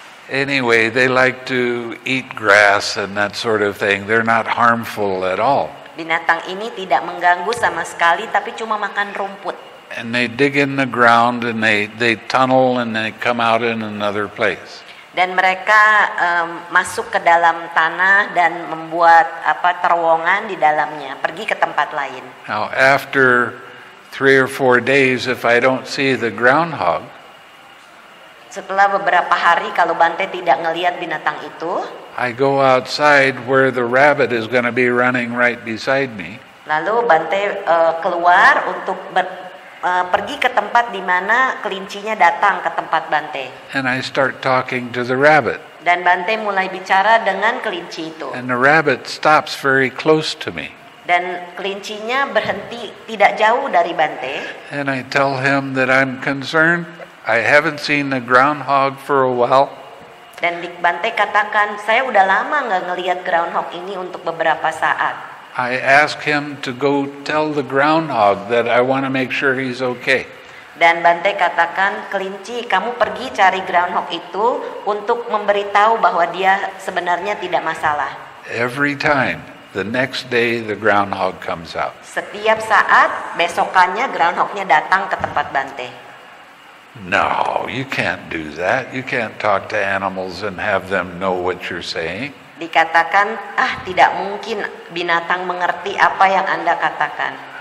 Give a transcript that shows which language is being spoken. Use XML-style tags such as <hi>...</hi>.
<en>Anyway, they like to eat grass and that sort of thing. They're not harmful at all.</en> <id>Binatang ini tidak mengganggu sama sekali, tapi cuma makan rumput.</id> <en>And they dig in the ground and they tunnel and they come out in another place.</en> <id>Dan mereka masuk ke dalam tanah dan membuat apa terowongan di dalamnya, pergi ke tempat lain.</id> <en>Now, after 3 or 4 days, if I don't see the groundhog.</en> <id>Setelah beberapa hari kalau Bante tidak ngelihat binatang itu,</id> <en>I go outside where the rabbit is going to be running right beside me.</en> <id>Lalu Bante keluar untuk pergi ke tempat di mana kelincinya datang ke tempat Bante.</id> <en>And I start talking to the rabbit.</en> <id>Dan Bante mulai bicara dengan kelinci itu.</id> <en>And the rabbit stops very close to me.</en> <id>Dan kelincinya berhenti tidak jauh dari Bante.</id> <en>And I tell him that I'm concerned. I haven't seen the groundhog for a while.</en> <id>Dan Bante katakan, saya udah lama enggak ngelihat groundhog ini untuk beberapa saat.</id> <en>I ask him to go tell the groundhog that I want to make sure he's okay.</en> <id>Dan Bante katakan, kelinci, kamu pergi cari groundhog itu untuk memberitahu bahwa dia sebenarnya tidak masalah.</id> <en>Every time, the next day the groundhog comes out.</en> <id>Setiap saat, besokannya groundhognya datang ke tempat Bante.</id> <en>No, you can't do that. You can't talk to animals and have them know what you're saying.</en> <id>Dikatakan, ah, tidak mungkin binatang mengerti apa yang Anda katakan.</id>